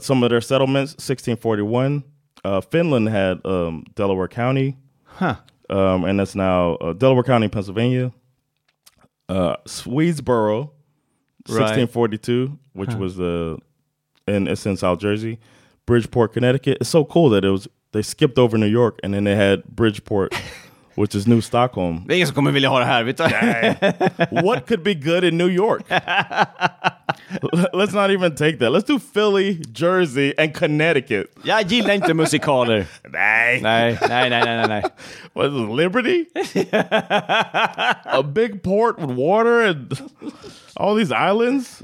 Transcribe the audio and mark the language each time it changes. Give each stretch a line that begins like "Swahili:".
English: Some of their settlements, 1641, Finland had Delaware County, and that's now Delaware County, Pennsylvania. Swedesboro, 1642, which was it's in South Jersey. Bridgeport, Connecticut. It's so cool that they skipped over New York and then they had Bridgeport, which is New Stockholm.
Swedish: Det är ingen som kommer vilja ha det här.
English: What could be good in New York? Let's not even take that. Let's do Philly, Jersey, and Connecticut.
Swedish: Jag gillar inte musikaler.
English: Nej. What is this, Liberty? A big port with water and all these islands?